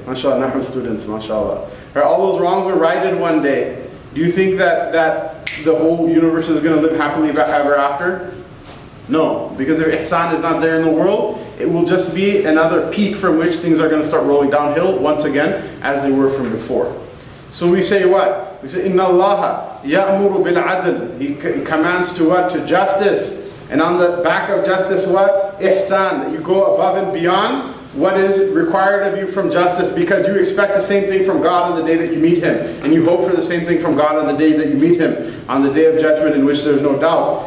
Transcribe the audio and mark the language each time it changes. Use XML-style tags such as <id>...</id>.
<en>MashaAllah, now we're students, MashaAllah. All those wrongs were righted one day. Do you think that the whole universe is going to live happily ever after? No, because if ihsan is not there in the world, it will just be another peak from which things are going to start rolling downhill once again, as they were from before. So we say what? We say,</en> <ar>إِنَّ اللَّهَ يَأْمُرُ بِالْعَدْلِ.</ar> <en>He commands to what? To justice. And on the back of justice, what? Ihsan. You go above and beyond what is required of you from justice, because you expect the same thing from God on the day that you meet Him, and you hope for the same thing from God on the day that you meet Him, on the day of judgment in which there's no doubt.</en>